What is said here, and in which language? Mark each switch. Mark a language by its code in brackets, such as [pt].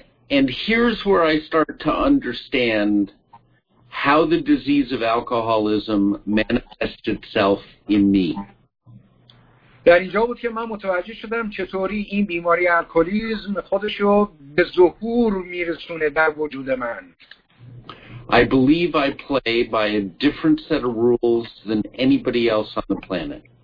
[en] And here's where I start to understand how the disease of alcoholism manifests itself in me. [fa] در اینجا بود که من متوجه شدم چطوری این بیماری الکلیسم خودشو به ظهور میرسونه در وجود من. [en] I believe I play by a different set of rules than anybody else on the planet.